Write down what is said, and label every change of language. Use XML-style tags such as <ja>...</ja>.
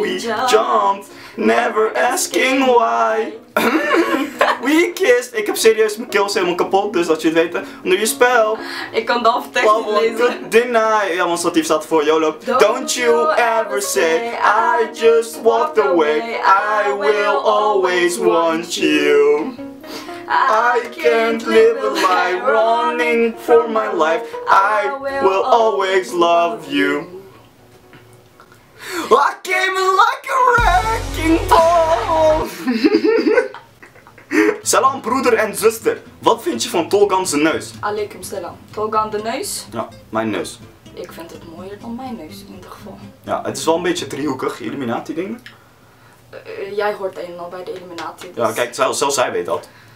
<en>We jumped, never asking why. We kissed.</en> <nl>Ik heb serieus mijn keel helemaal kapot, dus dat je het weet. Onder je spel. Ik kan de halftekst niet lezen.</nl> <en>Deny.</en> <nl>Ja, want statief staat voor YOLO.</nl> <en>Don't you ever say I just walked away. I will always want you. I can't live a lie running for my life. I will always love you. I came in like a wrecking ball.</en> <nl>Salam, broeder en zuster. Wat vind je van Tolkan zijn neus? Aleikum salam. Tolkan de neus? Ja, mijn neus. Ik vind het mooier dan mijn neus, in ieder geval. Ja, het is wel een beetje driehoekig, Illuminati dingen. Jij hoort een en al bij de Illuminati. Dus... Ja, kijk, zelfs hij weet dat.</nl>